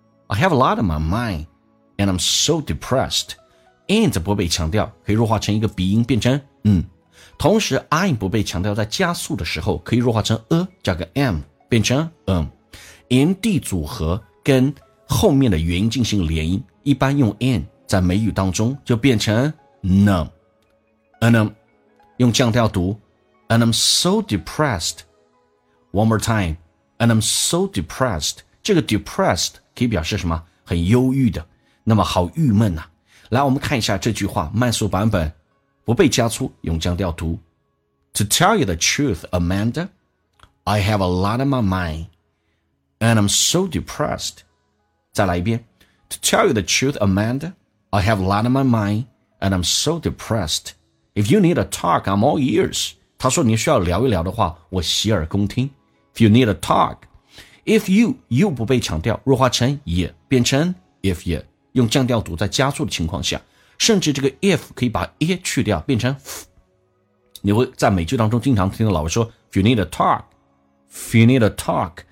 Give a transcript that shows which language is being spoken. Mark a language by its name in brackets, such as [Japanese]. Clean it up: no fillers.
[English] I have a lot on my mind, and I'm so depressed. [Chinese] And 不被强调，可以弱化成一个鼻音变成嗯。同时 ，I'm 不被强调，在加速的时候可以弱化成 a 加个 m 变成嗯。 And 组合跟后面的元音进行连音，一般用 and。在美语当中就变成 num 用降调读 and I'm so depressed one more time and I'm so depressed 这个 depressed 可以表示什么很忧郁的那么好郁闷啊来我们看一下这句话慢速版本不被加粗用降调读 [English] To tell you the truth Amanda I have a lot on my mind and I'm so depressed 再来一遍 To tell you the truth AmandaI have a lot on my mind, and I'm so depressed. If you need a talk, I'm all ears. [Chinese] 他说你需要聊一聊的话，我洗耳恭听。 If you need a talk, if you 不被强调，弱化成 ye 变成 if ye 用降调读在加速的情况下，甚至这个 if 可以把 e 去掉，变成 f。你会在美剧当中经常听到老外说 if you need a talk, if you need a talk.